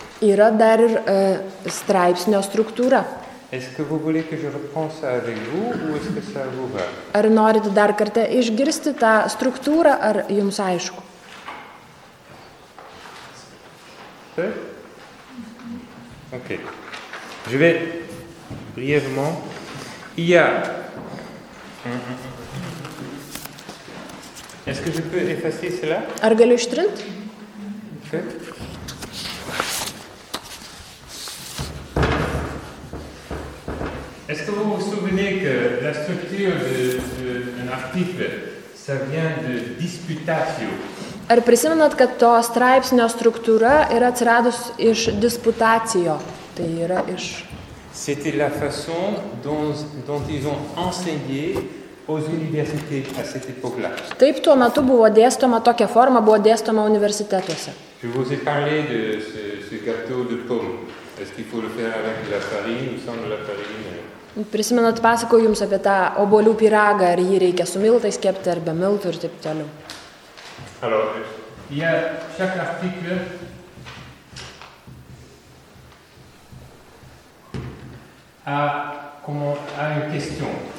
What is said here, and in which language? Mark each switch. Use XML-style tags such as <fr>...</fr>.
<lt>Yra dar ir straipsnio struktūra.</lt> <fr>Est-ce que vous voulez que je reprenne ça avec vous ou est-ce que ça vous va?</fr> <lt>Ar norit dar kartą išgirsti tą struktūrą ar jums aišku?</lt> <fr>OK. Je vais brièvement. Il y a Est-ce que je peux effacer cela?</fr> <lt>Ar galiu ištrinti?</lt> <fr>Est-ce que vous vous souvenez que la structure d'un article, ça vient de disputatio?</fr> <lt>Ar prisimenat, kad to straipsnio struktūra yra atsiradus iš disputatio? Tai yra iš...</lt> <fr>C'était la façon dont ils ont enseigné aux universités à cette époque-là.</fr> <lt>Taip tuo metu buvo dėstoma tokia forma, buvo dėstoma universitetuose.</lt> <fr>Je vous ai parlé de ce gâteau de pomme. Est-ce qu'il faut le faire avec la farine ou sans la farine?</fr> <lt>Prisimenat, pasakau jums apie tą obolių pyragą, ar jį reikia su miltais kepti, ar be miltų ir taip toliau.</lt> <fr>Alors, il y a chaque article a une question.</fr>